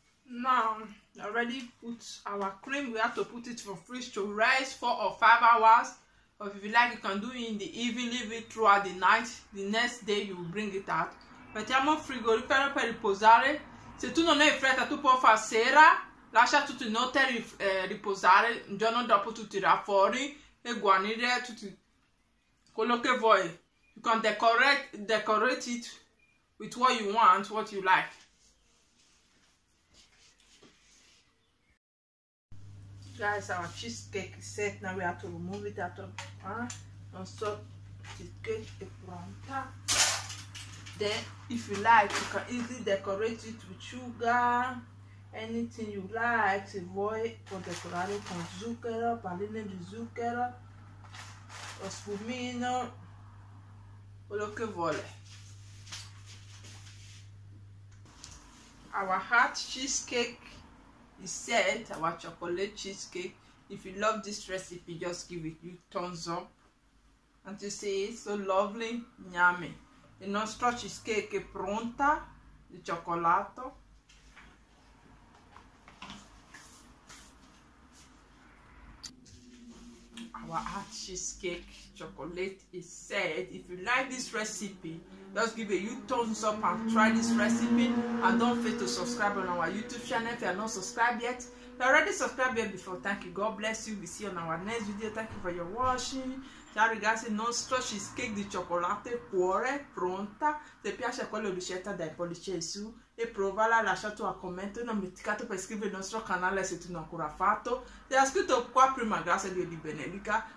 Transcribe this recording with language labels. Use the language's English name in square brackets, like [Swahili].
[English] Now, already put our cream. We have to put it for fridge to rest 4 or 5 hours. But if you like, you can do it in the evening, leave it throughout the night. The next day, you will bring it out. [Italian] Mettiamo frigorifero per riposare. Se tu non hai fretta, tu puoi fare sera, lascia tutte le notte riposare, un giorno dopo tu tira fuori e guarnire tutto quello che vuoi. [English] You can decorate it with what you want, what you like. Guys, our cheesecake is set, now we have to remove it out of the pan. [Italian] Nostro cheesecake è pronta. [English] Then, if you like, you can easily decorate it with sugar, anything you like. [Italian] Se vuoi, puoi decorare con zucchero, palline di zucchero, lo spumino, quello che vuole. [English] Our hot cheesecake is set, our chocolate cheesecake. If you love this recipe, just give it you thumbs up. And to see it's so lovely, yummy. [Italian] Il nostro cheesecake è pronta, di cioccolato. [English] Our our art cheesecake chocolate is set. If you like this recipe, just give a huge thumbs up and try this recipe. And don't forget to subscribe on our YouTube channel if you are not subscribed yet. If you already subscribed here before, thank you. God bless you. We see you on our next video. Thank you for your watching. [Italian] Ciao ragazzi, nostro cheesecake di cioccolato cuore pronta. Se piace quello ricetta dai pollice in su e provala, lascia il tuo commento. Non dimenticate per iscrivervi al nostro canale se tu non ancora fatto. Se hai scritto qua prima, grazie a Dio di benedica.